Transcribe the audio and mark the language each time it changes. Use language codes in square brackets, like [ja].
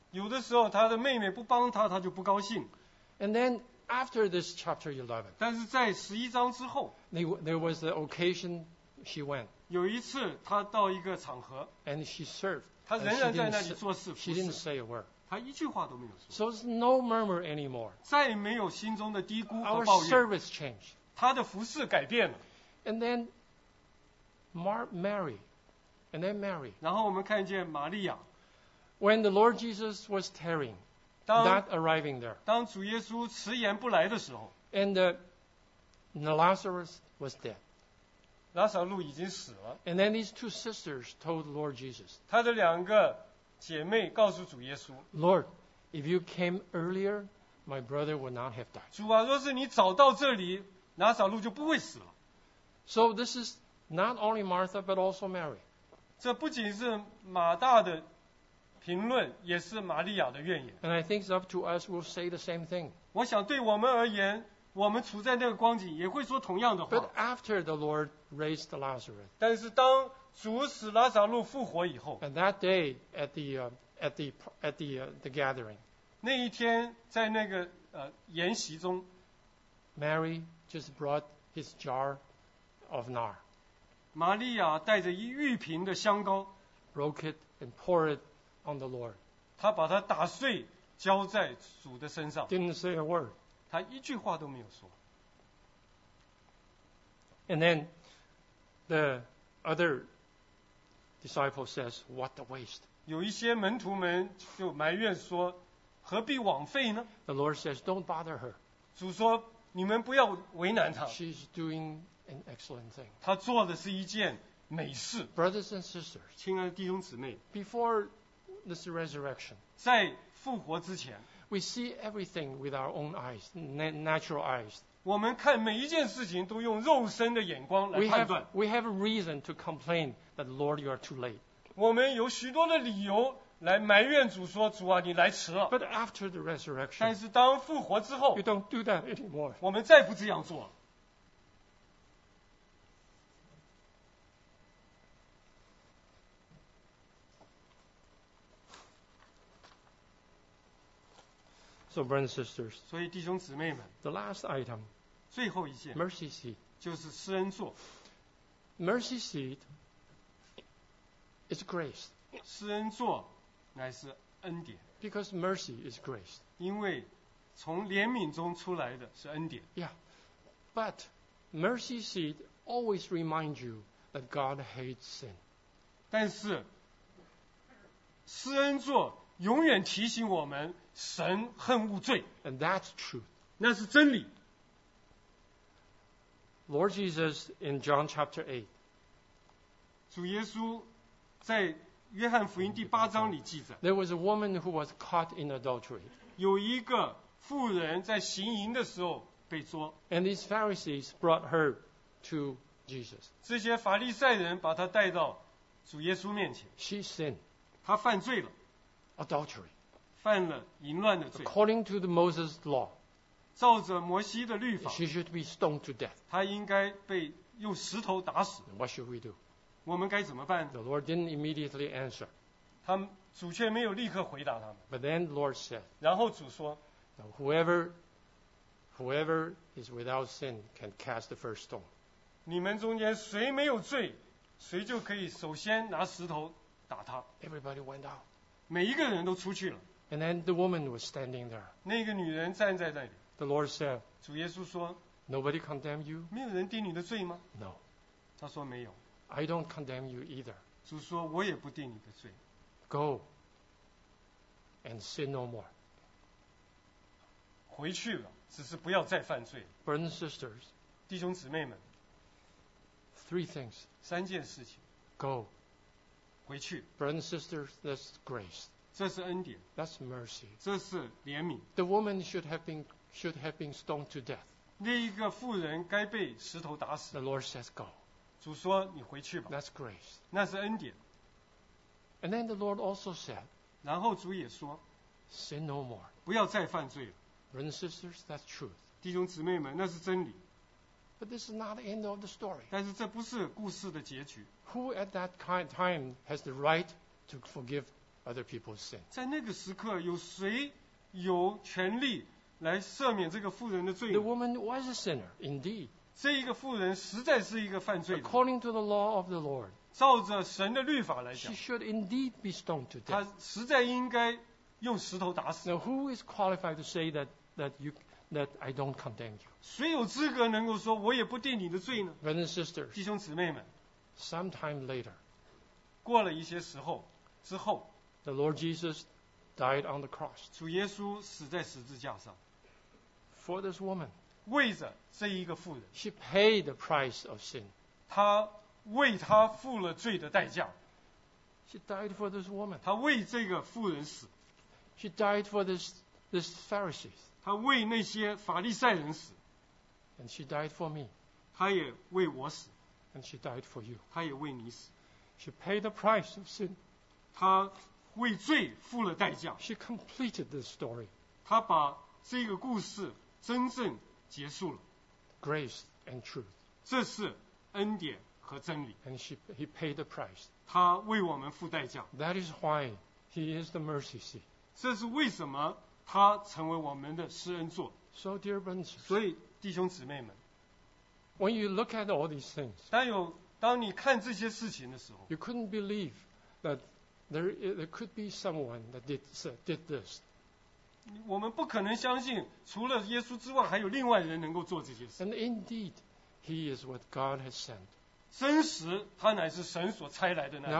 [zh] 有的时候他的妹妹不帮他，他就不高兴。 [en] And then after this chapter 11, [zh] 但是在十一章之后， [en] there was an occasion she went. [zh] 有一次他到一个场合。 [en] And she served. [zh] 他仍然在那里做事。 [en] She didn't say a word. [zh] 他一句话都没有说。 [en] So it's no murmur anymore. [zh] 再没有心中的低估和抱怨。 [en] Our service changed. [zh] 他的服事改变了。 [en] And then Mary. And then Mary. [zh] 然后我们看见玛利亚。 [en] When the Lord Jesus was tarrying, not arriving there. [zh] 当主耶稣迟延不来的时候。 [en] And Lazarus was dead. [zh] 拉撒路已经死了。 [en] And then these two sisters told the Lord Jesus. [zh] 他的两个姐妹告诉主耶稣， [en] Lord, if you came earlier, my brother would not have died. [zh] 主啊，若是你早到这里，拿撒路就不会死了。 [en] So this is not only Martha, but also Mary. [zh] 这不仅是马大的评论，也是玛利亚的怨言。 [en] And I think it's up to us, we'll say the same thing. [zh] 我想对我们而言，我们处在那个光景，也会说同样的话。 [en] But after the Lord raised Lazarus， [zh] 但是当主使拉撒路复活以后 [en] ，And that day at the the gathering， [zh] 那一天在那个筵席中 [en] ，Mary just brought his jar of nard， [zh] 玛利亚带着一玉瓶的香膏 [en] ，broke it and poured it on the Lord， [zh] 他把它打碎浇在主的身上 [en] ，didn't say a word。 [zh] 他一句话都没有说。 [en] And then the other disciple says, "What a waste!" [zh] 有一些门徒们就埋怨说，何必枉费呢 [en] ？The Lord says, "Don't bother her." [zh] 主说，你们不要为难她。 [en] She's doing an excellent thing. [zh] 她做的是一件美事。 [en] Brothers and sisters, [zh] 亲爱的弟兄姊妹 [en] ，Before this resurrection, [zh] 在复活之前。 [en] We see everything with our own eyes, natural eyes. [zh] 我们看每一件事情都用肉身的眼光来判断。 [en] We have a reason to complain that Lord, you are too late. [zh] 我们有许多的理由来埋怨主说，主啊，你来迟了。 [en] But after the resurrection, [zh] 但是当复活之后 [en] ，you don't do that anymore. [zh] 我们再不这样做。 [en] So brothers and sisters, [zh] 所以弟兄姊妹们 [en] ，the last item， [zh] 最后一件 [en] ，mercy seat， [zh] 就是施恩座。 [en] Mercy seat is grace， [zh] 施恩座乃是恩典。 [en] Because mercy is grace， [zh] 因为从怜悯中出来的是恩典。 [en] Yeah， but mercy seat always reminds you that God hates sin。 [zh] 但是施恩座永远提醒我们。神恨恶罪 [en] ，and that's truth， [zh] 那是真理。 [en] Lord Jesus in John chapter 8， [zh] 主耶稣在约翰福音第八章里记载 [en] ，there was a woman who was caught in adultery， [zh] 有一个妇人在行淫的时候被捉 [en] ，and these Pharisees brought her to Jesus， [zh] 这些法利赛人把她带到主耶稣面前 [en] ，she sinned， [zh] 她犯罪了 [en] ，adultery。 [zh] 犯了淫乱的罪。 [en] According to the Moses law， [zh] 照着摩西的律法 [en] ，she should be stoned to death。 [zh] 她应该被用石头打死。 [en] What should we do？ [zh] 我们该怎么办 [en] ？The Lord didn't immediately answer。 [zh] 他们主却没有立刻回答他们。 [en] But then the Lord said， [zh] 然后主说 [en] ，Whoever is without sin can cast the first stone。 [zh] 你们中间谁没有罪，谁就可以首先拿石头打他。 [en] Everybody went out。 [zh] 每一个人都出去了。 [en] And then the woman was standing there. [zh] 那个女人站在那里。 [en] The Lord said, [zh] 主耶稣说 [en] ，Nobody condemn you. [zh] 没有人定你的罪吗 [en] ？No. [zh] 他说没有。 [en] I don't condemn you either. [zh] 主说我也不定你的罪。 [en] Go and sin no more. [zh] 回去了，只是不要再犯罪。 [en] Brothers and sisters, [zh] 弟兄姊妹们 [en] ，Three things. [zh] 三件事情。 [en] Go. [zh] 回去。 [en] Brothers and sisters, that's grace. [zh] 这是恩典 [en] ，That's mercy。 [zh] 这是怜悯。 [en] The woman should have been stoned to death。 [zh] 那一个妇人该被石头打死。 [en] The Lord says go。 [zh] 主说你回去吧。 [en] That's grace。 [zh] 那是恩典。 [en] And then the Lord also said。 [zh] 然后主也说 [en] ，Sin no more。 [zh] 不要再犯罪了。 [en] Brothers and sisters, that's truth。 [zh] 弟兄姊妹们，那是真理。 [en] But this is not the end of the story。 [zh] 但是这不是故事的结局。 [en] Who at that time has the right to forgive？ Other people's sin. [zh] 在那个时刻，有谁有权利来赦免这个妇人的罪 [en] ？The woman was a sinner, indeed. [zh] 这一个妇人实在是一个犯罪的。 [en] According to the law of the Lord, [zh] 照着神的律法来讲 [en] ，she should indeed be stoned to death. [zh] 她实在应该用石头打死。 [en] Now who is qualified to say that I don't condemn you? [zh] 谁有资格能够说我也不定你的罪呢 [en] ？Brothers and sisters, [zh] 弟兄姊妹们 [en] ，sometime later, [zh] 过了一些时候之后。 [en] The Lord Jesus died on the cross. [zh] 主耶稣死在十字架上。 [en] For this woman, [zh] 为着这一个妇人 [en] ，she paid the price of sin. [zh] 她为她付了罪的代价。 [en] She died for this woman. [zh] 她为这个妇人死。 [en] She died for this Pharisees. [zh] 她为那些法利赛人死。 [en] And she died for me. [zh] 她也为我死。 [en] And she died for you. [zh] 她也为你死。 [en] She paid the price of sin. [zh] 她为罪付了代价。 [en] She completed this story. [zh] 她把这个故事真正结束了。 [en] Grace and truth. [zh] 这是恩典和真理。 [en] And he paid the price. [zh] 他为我们付代价。 [en] That is why he is the mercy seat. [zh] 这是为什么他成为我们的施恩座。 [en] So dear brothers. [zh] 所以弟兄姊妹们。 [en] When you look at all these things. [zh] 当你看这些事情的时候。 [en] You couldn't believe that there could be someone that did this. [zh] 我们不可能相信除了耶稣之外还有另外人能够做这些事。 [en] And indeed, he is what God has sent. [zh] 真实他乃是神所差来的那。